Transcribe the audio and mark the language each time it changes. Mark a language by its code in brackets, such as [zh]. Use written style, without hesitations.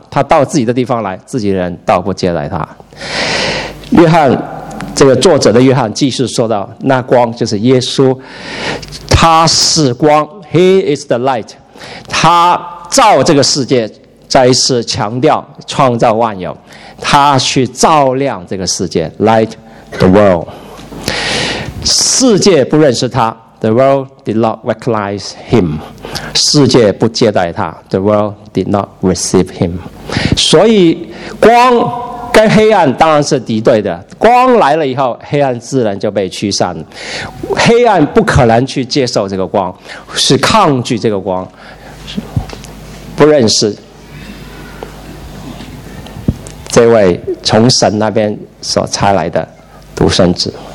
[zh] 他到自己的地方来，自己的人倒不接待他。约翰，这个作者的约翰继续说到，那光就是耶稣，他是光 ， [en] He is the light， [zh] 他照这个世界。再一次强调创造万有，他去照亮这个世界 ， [en] light the world。 [zh] 世界不认识他 ， [en] the world did not recognize him。 [zh] 世界不接待他 ， [en] the world did not receive him。 [zh] 所以光跟黑暗当然是敌对的，光来了以后，黑暗自然就被驱散了。黑暗不可能去接受这个光，是抗拒这个光，不认识这位从神那边所差来的独生子。